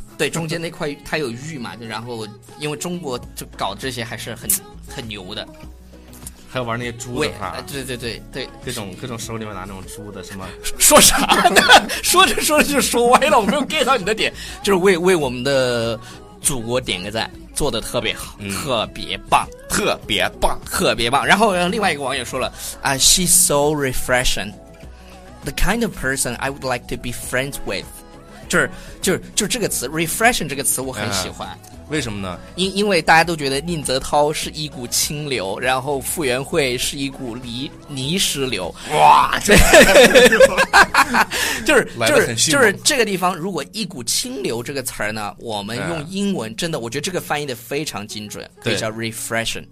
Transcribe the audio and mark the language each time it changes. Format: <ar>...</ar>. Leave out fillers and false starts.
<zh>对，中间那块它有玉嘛，就然后因为中国就搞这些还是很牛的，还有玩那些猪的哈，对对对对，各种手里面拿那种猪的什么，说啥呢？说着说着就说歪了，我没有 get 到你的点，就是为我们的祖国点个赞，做得特别好、嗯、特别棒，特别棒，特别棒。然后另外一个网友说了</zh> <en>she's so refreshing, the kind of person I would like to be friends with,</en> <zh>就是这个词 refreshing 这个词我很喜欢、为什么呢？因为大家都觉得宁泽涛是一股清流，然后傅园慧是一股泥石流。哇，这就是这个地方，如果一股清流这个词呢，我们用英文真的，我觉得这个翻译的非常精准，可以叫 refreshing。</zh>